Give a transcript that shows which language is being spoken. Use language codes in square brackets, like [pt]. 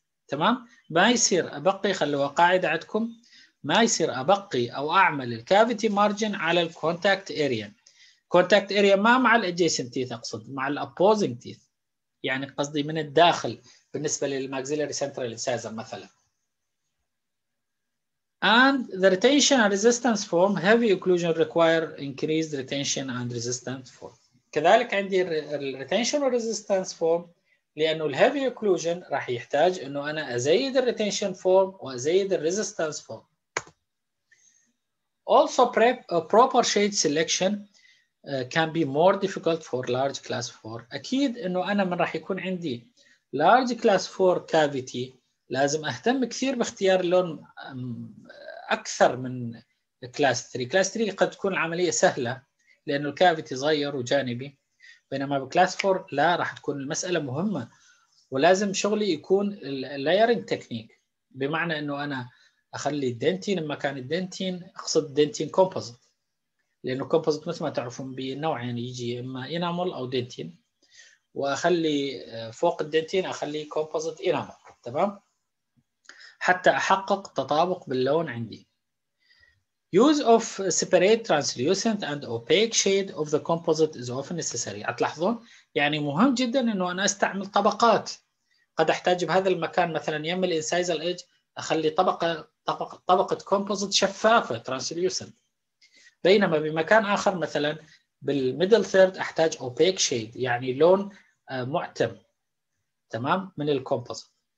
[ar] تمام؟ ما يصير أبقي، خلوها قاعدة عندكم، ما يصير أبقي أو أعمل الكافيتي مارجن على الكونتاكت إيريا. كونتاكت إيريا ما مع الأجيسنت تيث، أقصد مع الأبوزنج تيث، يعني قصدي من الداخل بالنسبة للماكسيلاري سنترال إنسايزر مثلا. [en] And the retention and resistance form heavy occlusion require increased retention and resistance form. [ar] كذلك عندي الريتينشن والريزيستنس فورم، لأنه الهيفي أوكلوجن راح يحتاج أنه أنا أزيد الريتينشن فورم وأزيد الريزيستنس فورم. [en] Also, proper shade selection can be more difficult for large class 4. [ar] أكيد إنه أنا من راح يكون عندي large class 4 cavity لازم أهتم كثير باختيار لون أكثر من class 3. class 3 قد تكون العملية سهلة لأنه cavity صغير وجانبي، بينما class 4 لا، راح تكون المسألة مهمة ولازم شغلي يكون layering technique، بمعنى إنه أنا أخلي الدنتين مكان الدنتين، أقصد دنتين كومبوزيت، لأنه كومبوزيت مثل ما تعرفون بنوعين، يعني يجي إما إنامول أو دنتين، وأخلي فوق الدنتين أخلي كومبوزيت إنامول، تمام؟ حتى أحقق تطابق باللون عندي. [en] Use of separate translucent and opaque shade of the composite is often necessary. [ar] أتلاحظون؟ يعني مهم جدا إنه أنا أستعمل طبقات. قد أحتاج بهذا المكان مثلا يم الإنسايزال إيج أخلي طبقة كومبوزيت شفافة translucent، بينما بمكان آخر مثلا بالميدل ثيرد أحتاج أوبيك شيد، يعني لون معتم، تمام، من الكومبوزيت.